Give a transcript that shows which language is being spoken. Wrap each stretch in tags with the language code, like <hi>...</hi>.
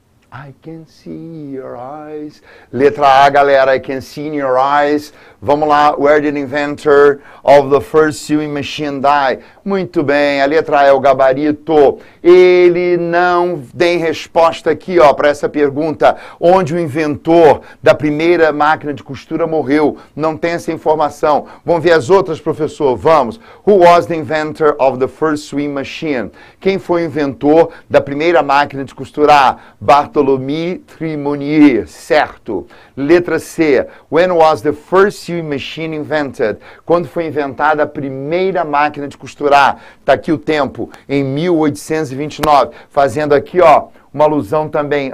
<en>I can see your eyes.</en> <pt>Letra A, galera.</pt> <en>I can see in your eyes.</en> <pt>Vamos lá.</pt> <en>Where did the inventor of the first sewing machine die?</en> <pt>Muito bem. A letra A é o gabarito. Ele não tem resposta aqui, ó, para essa pergunta. Onde o inventor da primeira máquina de costura morreu? Não tem essa informação. Vamos ver as outras, professor. Vamos.</pt> <en>Who was the inventor of the first sewing machine?</en> <pt>Quem foi o inventor da primeira máquina de costurar? Bartholomew Thimonnier, certo. Letra C.</pt> <en>When was the first sewing machine invented?</en> <pt>Quando foi inventada a primeira máquina de costurar? Está aqui o tempo, em 1829. Fazendo aqui, ó, uma alusão também.</pt>